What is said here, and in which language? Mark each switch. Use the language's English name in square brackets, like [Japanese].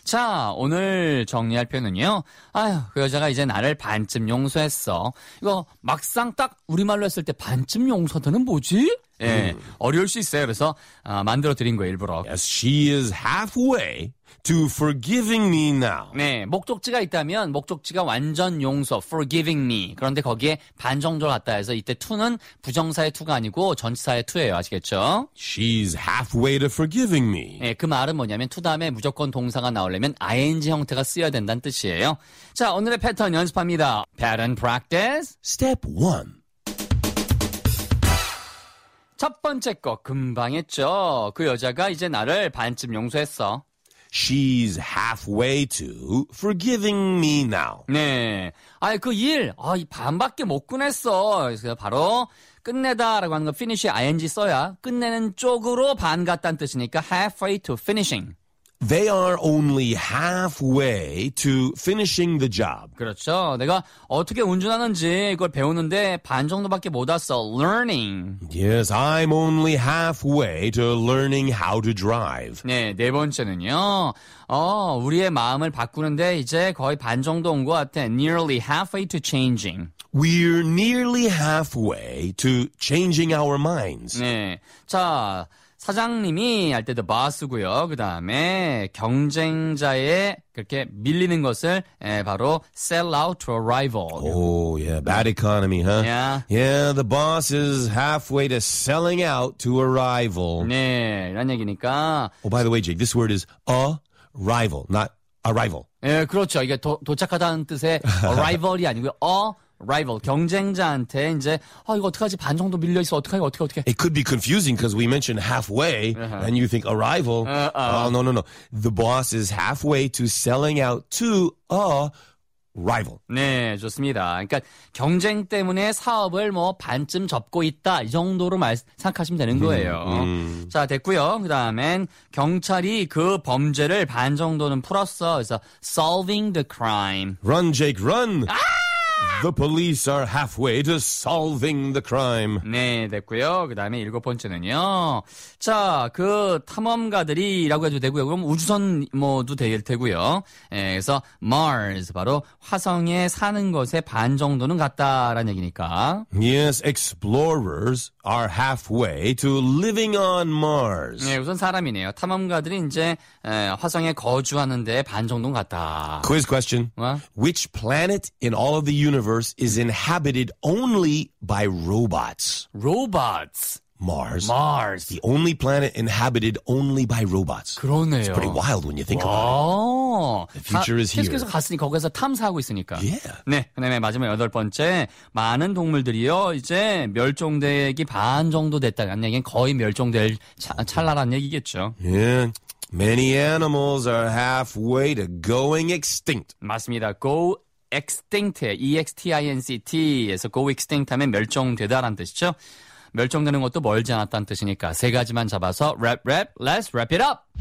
[Korean] 자, 오늘 정리할 표현은요. 아휴, 그 여자가 이제 나를 반쯤 용서했어. 이거 막상 딱 우리말로 했을 때 반쯤 용서하다는 뭐지? 예, 어려울 수 있어요. 그래서 아, 만들어드린 거예요, 일부러. [English] Yes, she is halfway to forgiving me now. [Korean] 네, 목적지가 있다면 목적지가 완전 용서, [English] forgiving me. [Korean] 그런데 거기에 반 정도를 갖다 해서 이때 to는 부정사의 to가 아니고 전치사의 to예요. 아시겠죠? [English] She's halfway to forgiving me. [Korean] 네, 그 말은 뭐냐면 to 다음에 무조건 동사가 나오려면 ing 형태가 쓰여야 된다는 뜻이에요. 자, 오늘의 패턴 연습합니다. [English] Pattern practice. Step 1. [Korean] 첫 번째 거 금방 했죠. 그 여자가 이제 나를 반쯤 용서했어. [English] She's halfway to forgiving me now. [Korean] 네. 아이 그 일, 아, 이 반밖에 못 끝냈어. 그래서 바로 끝내다라고 하는 거 finish ing 써야 끝내는 쪽으로 반 갔다는 뜻이니까 [English] halfway to finishing. They are only halfway to finishing the job. [Korean] 그렇죠. 내가 어떻게 운전하는지 이걸 배우는데 반 정도밖에 못 왔어. [English] Learning. Yes, I'm only halfway to learning how to drive. [Korean] 네, 네 번째는요. 우리의 마음을 바꾸는데 이제 거의 반 정도 온 것 같아. [English] Nearly halfway to changing. We're nearly halfway to changing our minds. [Korean] 네, 자... 사장님이 할 때도 boss고요. 그 다음에 경쟁자의 그렇게 밀리는 것을 바로 [English] sell out to a rival. Oh, yeah. Bad economy, huh? Yeah. Yeah, the boss is halfway to selling out to a rival. [Korean] 네, 이런 얘기니까. [English] Oh, by the way, Jake, this word is a rival, not arrival. [Korean] 네, 그렇죠. 이게 도착하다는 뜻의 arrival이 아니고요. Rival, 경쟁자한테 이제 아 이거 어떡하지 반 정도 밀려 있어 어떡하지 어떻게 [English] It could be confusing because we mentioned halfway uh-huh. and you think a rival. No. The boss is halfway to selling out to a rival. [Korean] 네, 좋습니다. 그러니까 경쟁 때문에 사업을 뭐 반쯤 접고 있다 이 정도로 생각하시면 되는 거예요. 자, 됐고요. 그다음엔 경찰이 그 범죄를 반 정도는 풀었어. [English] 그래서 solving the crime. Run, Jake, run. 아! The police are halfway to solving the crime. [Korean] 네, 됐고요. 그 다음에 일곱 번째는요. 자, 그 탐험가들이라고 해도 되고요. 그럼 우주선 뭐도 될 테고요. 예, 그래서 Mars, 바로 화성에 사는 것의 반 정도는 갔다라는 얘기니까. [English] Yes, explorers are halfway to living on Mars. [Korean] 네, 우선 사람이네요. 탐험가들이 이제 화성에 거주하는 데 반 정도는 갔다. [English] Quiz question. What? Which planet in all of the universe is inhabited only by robots. Robots. Mars. Mars. The only planet inhabited only by robots. [Korean] 그러네요. [English] It's pretty wild when you think about it. The future is here. [Korean] 계속해서 갔으니 거기서 탐사하고 있으니까. [English] Yeah. [Korean] 네. 그다음에 마지막 여덟 번째. 많은 동물들이요. 이제 멸종되기 반 정도 됐다는 얘기는 거의 멸종될 찰나라는 얘기겠죠. [English] Yeah. Many animals are halfway to going extinct. [Korean] 맞습니다. Go extinct, extinct에서 go extinct 하면 멸종되다라는 뜻이죠. 멸종되는 것도 멀지 않았다는 뜻이니까 세 가지만 잡아서 랩, rap, [English] let's wrap it up!